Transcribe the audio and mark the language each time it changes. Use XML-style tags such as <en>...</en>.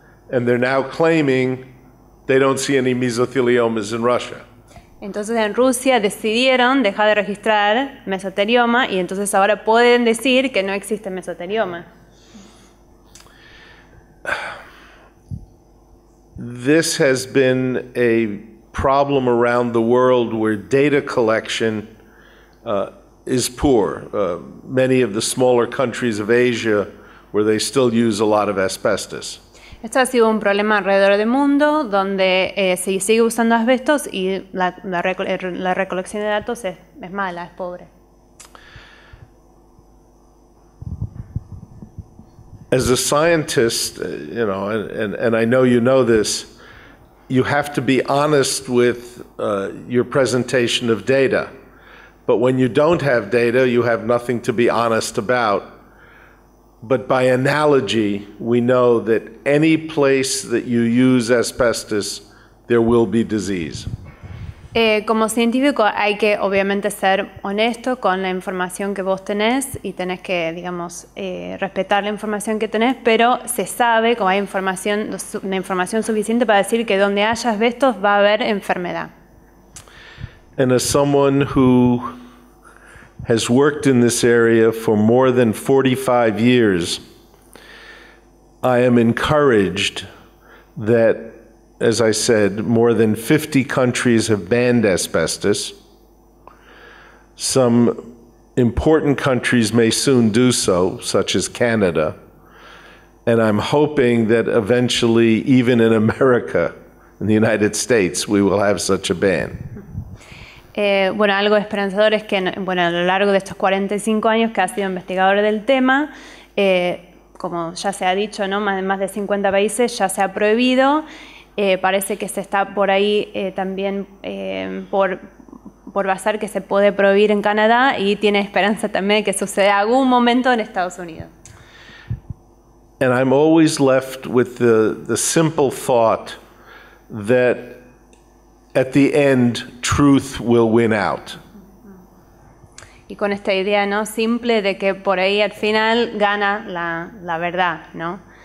<en>And they're now claiming they don't see any mesotheliomas in Russia.</en> <es>Entonces en Rusia decidieron dejar de registrar mesotelioma y entonces ahora pueden decir que no existe mesotelioma.</es> <en>This has been a problem around the world where data collection is poor. Many of the smaller countries of Asia where they still use a lot of asbestos.</en> <es>Esto ha sido un problema alrededor del mundo donde se sigue usando asbestos y la recolección de datos es mala, es pobre.</es> <en>As a scientist, you know, and I know you know this, you have to be honest with your presentation of data. But when you don't have data, you have nothing to be honest about. But by analogy, we know that any place that you use asbestos, there will be disease.</en> <es>Como científico, hay que obviamente ser honesto con la información que vos tenés y tenés que, digamos, respetar la información que tenés, pero se sabe que hay información suficiente para decir que donde haya asbestos va a haber enfermedad.</es> <en>And as someone who has worked in this area for more than 45 years, I am encouraged that, as I said, more than 50 countries have banned asbestos. Some important countries may soon do so, such as Canada. And I'm hoping that eventually, even in America, in the United States, we will have such a ban.</en> <es>Bueno, algo esperanzador es que, bueno, a lo largo de estos 45 años que ha sido investigador del tema, como ya se ha dicho, ¿no? más de 50 países ya se ha prohibido. Parece que se está por ahí también por basar que se puede prohibir en Canadá y tiene esperanza también de que suceda algún momento en Estados Unidos.</es> <en>And I'm always left with the simple thought that at the end, truth will win out.</en> <es>Y con esta idea, ¿no? Simple de que por ahí al final gana la verdad, ¿no?</es>